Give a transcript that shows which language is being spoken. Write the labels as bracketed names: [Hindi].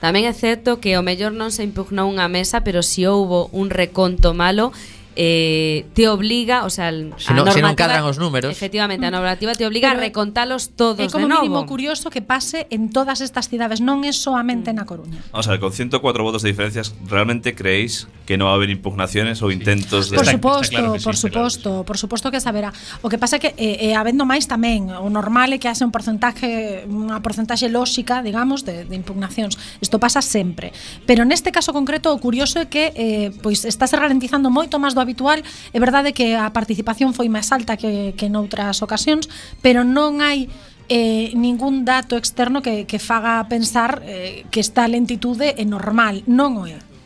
[Galician] Tamén é certo que o mellor non se impugnou unha mesa, pero si houbo un reconto malo, [Spanish] te obliga, o sea, [Galician] se non cadran os números. Efectivamente, a normativa te obliga a recontalos todos. É como de novo mínimo curioso que pase en todas estas cidades, non é soamente na Coruña. [Spanish] O sea, con 104 votos de diferencias, ¿realmente creéis que no va a haber impugnaciones o intentos de Por supuesto, claro, por supuesto, claro, por supuesto que saberá. [Galician] O que pasa é que habendo máis tamén, o normal é que haxe un porcentaje, unha porcentaxe lógica, digamos, de impugnacións. Isto pasa sempre. Pero neste caso concreto o curioso é que pois estáse ralentizando moito máis do habitual. É verdade que a participación foi máis alta que noutras ocasións, pero non hai ningún dato externo que faga pensar que esta lentitude é normal, non o é.